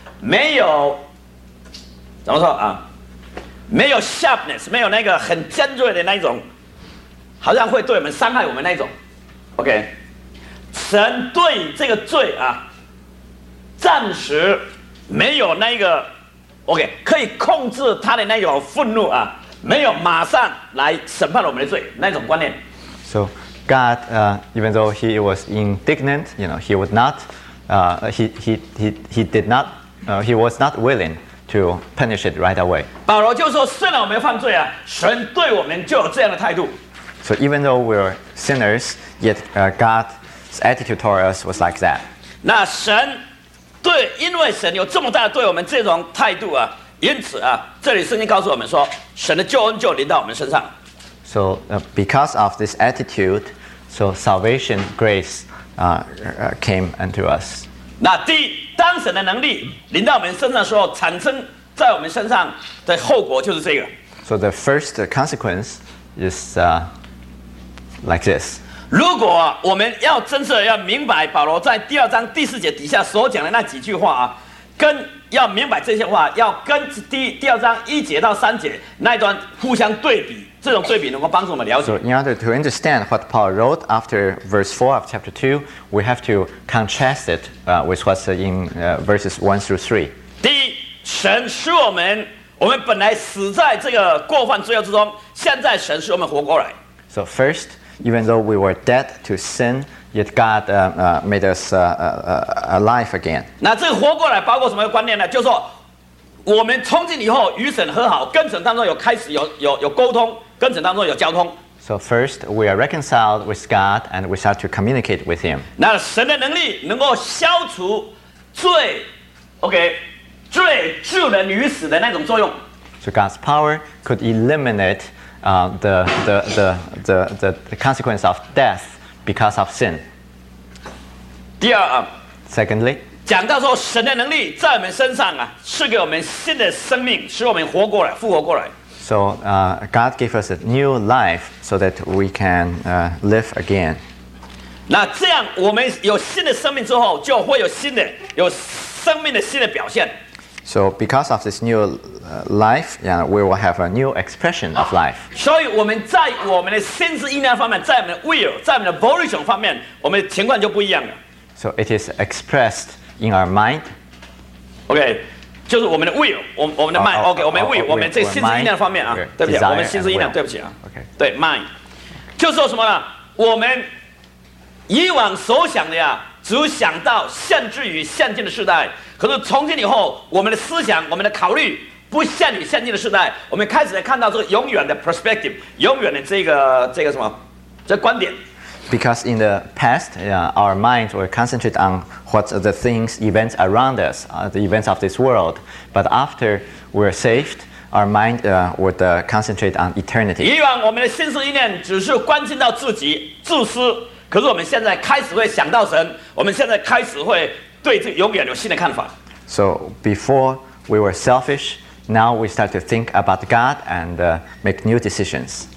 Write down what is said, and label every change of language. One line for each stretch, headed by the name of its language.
Chinese: 没有怎么说啊，没有 sharpness， 没有那个很尖锐的那一种，好像会对我们伤害我们那一种。 OK， 神对这个罪啊暂时没有那个 OK 可以控制他的那种愤怒啊，没有马上来审判我们的罪那种观念。
English: So God even though he was indignant, you know, he would not he did notHe was not willing to punish it right away.
Chinese: 保罗就说，虽然我们犯罪啊，神对我们就有这样的态度。
English: So even though we're sinners, yet God's attitude toward us was like that.
Chinese: 那神对，因为神有这么大的对我们这种态度啊，因此啊，这里圣经告诉我们说，神的救恩就临到我们身上。
English: So because of this attitude, so salvation grace came unto us.
Chinese: 那第一。当神的能力临到我们身上的时候，产生在我们身上的后果就是这个。
English: So the first consequence is like this.
Chinese: 如果我们要真正要明白保罗在第二章第四节底下所讲的那几句话啊，跟要明白这些话，要跟第二章一节到三节那一段互相对比，这种对比能够帮助我们了解。
English: So in order to understand what Paul wrote after verse 4 of chapter 2, we have to contrast it with what's in verses 1 through 3.
Chinese: 第一，神使我们本来死在这个过犯罪恶之中，现在神使我们活过来。
English: So first, even though we were dead to sin, yet God made us alive again.
Chinese: 那这个活过来包括什么观念呢？就是说我们从今以后与神和好，跟神当中有开始有沟通，跟神当中有交通。
English: So first we are reconciled with God and we start to communicate with Him.
Chinese: 那神的能力能够消除罪 ，OK， 罪致人于死的那种作用。
English: So God's power could eliminate the consequence of death because of sin.
Chinese: 第二啊
English: ，Secondly。
Chinese: 讲到说神的能力在我们身上啊，赐给我们新的生命，使我们活过来，复活过来。
English: So, God gave us a new life so that we can live again.
Chinese: 那这样我们有新的生命之后，就会有生命的新的表现。
English: So, because of this new life, yeah, we will have a new expression of life.
Chinese: 所以我们在我们的心智意念方面，在我们的 will， 在我们的 volition 方面，我们的情况就不一样了。
English: So it is expressed. In our mind,
Chinese: okay, 就是我们的 will, 我们的 mind, okay, 我们 will, 我们这心智意念方面啊，对不起，我们心智意念，对不起啊， okay, 对 mind, 就是说什么呢？我们以往所想的呀，只想到限制于现今的时代，可是从今以后，我们的思想，我们的考虑不限于现今的时代，我们开始看到这个永远的 perspective, 永远的这个什么，这观点。
English: Because in the past, our minds were concentrated on what are the things, events around us, the events of this world. But after we're saved, our mind would concentrate on eternity.
Chinese: 以往我们的心思意念只是关心到自己、自私，可是我们现在开始会想到神，我们现在开始会对这永远有新的看法。
English: So before we were selfish, Now we start to think about God and make new decisions.